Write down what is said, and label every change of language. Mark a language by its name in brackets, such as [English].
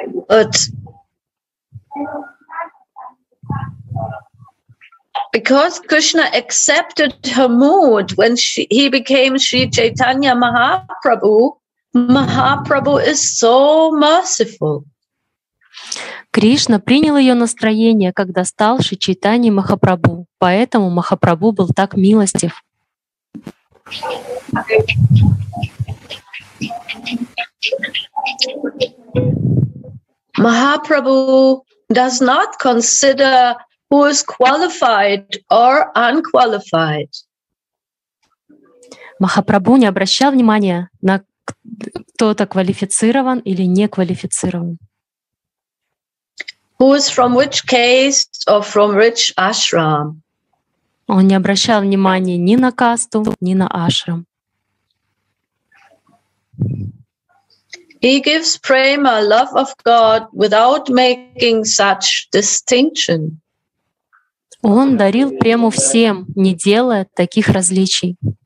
[English] But because Krishna accepted her mood when he became Sri Chaitanya Mahaprabhu, Mahaprabhu is so merciful. [Russian] Krishna принял ее настроение, когда стал Шри Чайтанья Махапрабху, поэтому Махапрабху был так милостив. [English] Mahaprabhu does not consider who is qualified or unqualified. [Russian] Махапрабху не обращал внимания на кто-то квалифицирован или не квалифицирован. [English] Who is from which caste or from which ashram? [Russian] Он не обращал внимания ни на касту, ни на ашрам. [English] He gives prema, love of God, without making such distinction. [Russian] Он дарил прему всем, не делая таких различий.